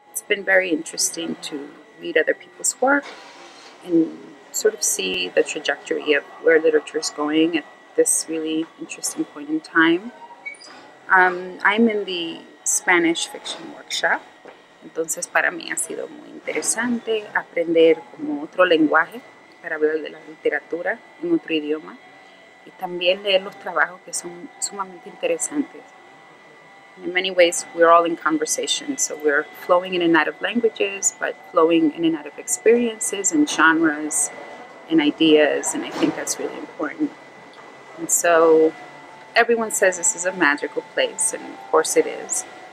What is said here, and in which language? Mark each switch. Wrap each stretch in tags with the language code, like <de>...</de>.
<en>been very interesting to read other people's work and sort of see the trajectory of where literature is going at this really interesting point in time. I'm in the Spanish fiction workshop.</en> <es>Entonces, para mí ha sido muy interesante aprender como otro lenguaje para hablar de la literatura en otro idioma y también leer los trabajos que son sumamente interesantes.</es> <en>In many ways, we're all in conversation, so we're flowing in and out of languages, but flowing in and out of experiences and genres and ideas, and I think that's really important. And so everyone says this is a magical place, and of course it is.</en>